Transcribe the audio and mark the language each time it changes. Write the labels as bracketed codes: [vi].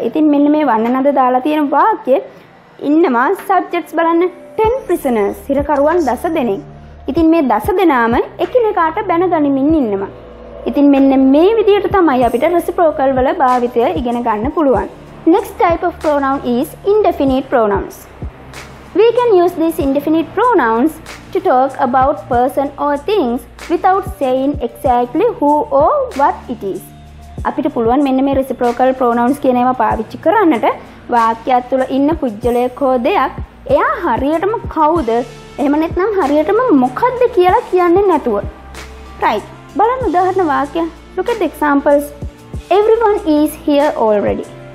[si] ඉතින් මෙන්න මේ one another දාලා තියෙන වාක්‍ය ඉන්නවා subjects බලන්න 10 prisoners සිරකරුවන් දස දෙනෙක්. ඉතින් මේ දස දෙනාම එකිනෙකාට බැනගනිමින් ඉන්නවා. ඉතින් මෙන්න මේ විදියට තමයි අපිට reciprocal වල භාවිතය ඉගෙන ගන්න පුළුවන්. [en] Next type of pronoun is indefinite pronouns. We can use these indefinite pronouns to talk about person or things without saying exactly who or what it is. [si] අපිට පුළුවන් මෙන්න මේ reciprocal pronouns කියන ඒවා පාවිච්චි කරන්නට වාක්‍යය තුළ ඉන්න පුජ්‍යලයක හෝ දෙයක් එයා හරියටම කවුද එහෙම නැත්නම් හරියටම මොකද්ද කියලා කියන්නේ නැතුව. [en] Right. [si] බලන්න උදාහරණ වාක්‍ය. [en] Look at the examples. Everyone is here already.